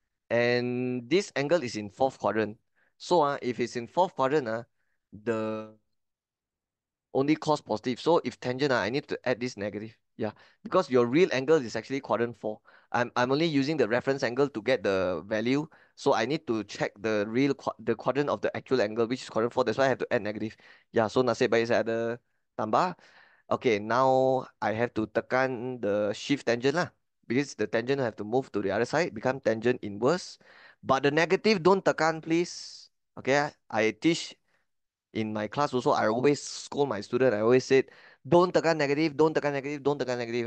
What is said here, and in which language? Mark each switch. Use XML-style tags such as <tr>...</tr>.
<en>And this angle is in fourth quadrant. So if it's in fourth quadrant, the only cos positive. So if tangent, I need to add this negative. Yeah, because your real angle is actually quadrant 4. I'm only using the reference angle to get the value. So I need to check the real the quadrant of the actual angle, which is quadrant 4. That's why I have to add negative.</en> <ms>Yeah, so nasib baik saya ada tambah.</ms> <en>Okay, now I have to tekan the shift tangent lah. Because the tangent have to move to the other side, become tangent inverse. But the negative don't tekan, please. Okay, I teach in my class also. I always scold my student. I always said, don't tekan negative, don't tekan negative, don't tekan negative.</en>